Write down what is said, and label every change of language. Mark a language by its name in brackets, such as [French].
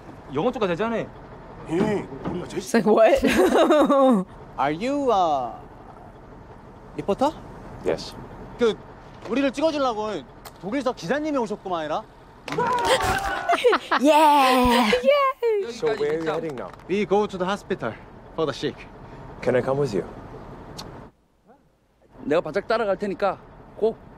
[English] You're going to go. It's like, what? Are you a reporter? Yes. [Korean] 그 우리를 찍어주려고 독일서 기자님이 오셨구만이라. [English] Yeah. Yeah. So where are you heading now? We go to the hospital for the sick. Can I come with you? [Korean] 내가 바짝 따라갈 테니까 고.